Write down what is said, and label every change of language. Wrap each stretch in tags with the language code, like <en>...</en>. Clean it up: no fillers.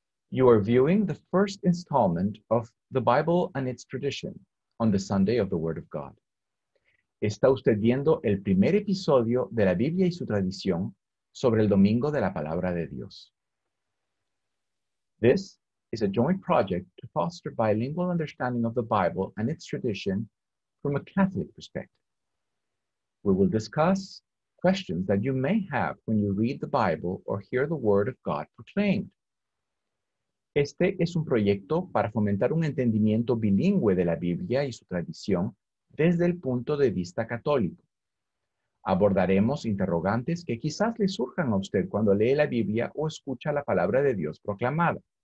<en>You are viewing the first installment of The Bible and Its Tradition on the Sunday of the Word of God.</en> <es>Está usted viendo el primer episodio de la Biblia y su tradición sobre el Domingo de la Palabra de Dios.</es> <en>This is a joint project to foster bilingual understanding of the Bible and its tradition from a Catholic perspective. We will discuss questions that you may have when you read the Bible or hear the Word of God proclaimed.</en> <es>Este es un proyecto para fomentar un entendimiento bilingüe de la Biblia y su tradición desde el punto de vista católico. Abordaremos interrogantes que quizás le surjan a usted cuando lee la Biblia o escucha la palabra de Dios proclamada.</es>